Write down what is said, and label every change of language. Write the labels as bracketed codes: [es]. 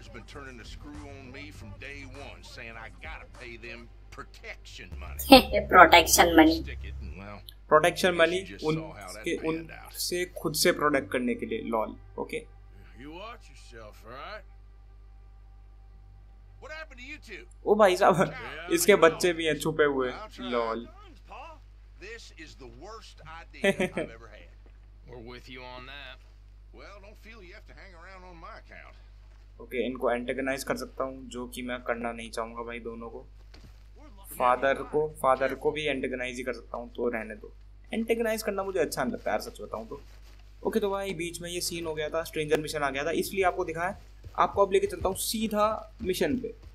[en] Turning the screw on me from day one, saying I gotta pay them protection money. Protection money. [hi] उनसे खुद से protect करने के लिए. [en] Lol. Okay. You watch yourself, right? What happened to you two? [hi] Oh, भाई साहब, इसके बच्चे भी हैं छुपे हुए. [en] Lol. This is the worst idea I've ever had. We're with you on that. Well, don't feel you have to hang around on my account. [hi] Okay, इनको antagonise कर सकता हूँ, जो कि मैं करना नहीं चाहूंगा भाई दोनों को। फादर को भी एंटेगनाइज ही कर सकता हूँ, तो रहने दो। एंटेगनाइज करना मुझे अच्छा नहीं लगता यार, सच बताऊँ तो। ओके तो भाई बीच में ये सीन हो गया था, स्ट्रेंजर मिशन आ गया था, इसलिए आपको दिखाया। आपको अब लेके चलता हूँ सीधा मिशन पे।